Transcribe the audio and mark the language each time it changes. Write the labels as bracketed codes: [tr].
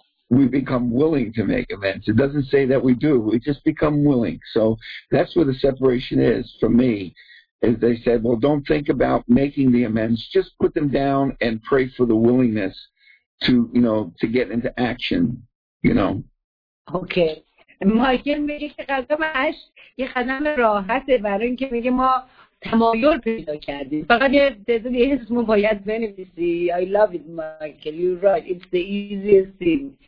[en] We become willing to make amends. It doesn't say that we do. We just become willing. So that's where the separation is for me. As they said, well, don't think about making the amends. Just put them down and pray for the willingness to, you know, to get into action, you know. Okay. [fa] مایکل میگه که قدم هشت یه قدم راحته، برای اینکه میگه ما تمایل پیدا کردیم، فقط یه تعدادی اسمو باید بنویسی. [en] I love it Michael, you're right, it's the easiest thing.